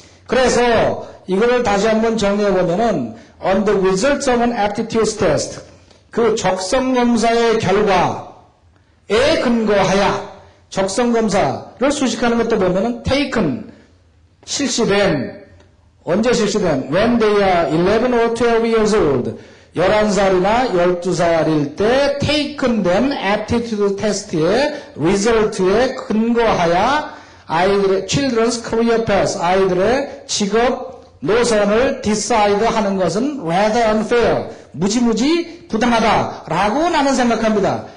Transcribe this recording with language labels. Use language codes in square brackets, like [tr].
[ko] 그래서 이거를 다시 한번 정리해보면은 [en] on the results of an aptitude test, [ko] 그 적성검사의 결과에 근거하여 적성검사를 수식하는 것도 보면은 [en] taken, [ko] 실시된, 언제 실시된? [en] When they are 11 or 12 years old. [ko] 11살이나 12살일 때 taken 된 aptitude test의 result에 근거하여 아이들의 children's career path, 아이들의 직업 노선을 decide 하는 것은 [en] rather unfair, [ko] 무지무지 부당하다라고 나는 생각합니다.